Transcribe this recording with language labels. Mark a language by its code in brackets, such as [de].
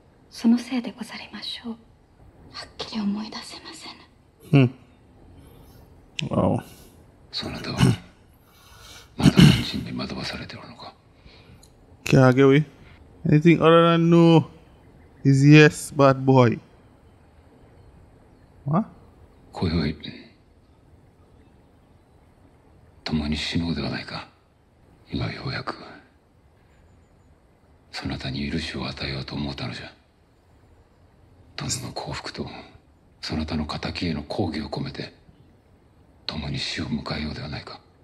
[ja] そのせいでござりましょう。はっきり思い出せません。うん。わお。そなたは、まだ本心に惑わされてるのか。キャーゲウィ。 [en] Anything other than no is yes, bad boy. わ [ja] 今宵、共に死のうではないか。今ようやく、そなたに許しを与えようと思ったのじゃ。殿の幸福とそなたの仇への抗議を込めて共に死を迎えようではないか。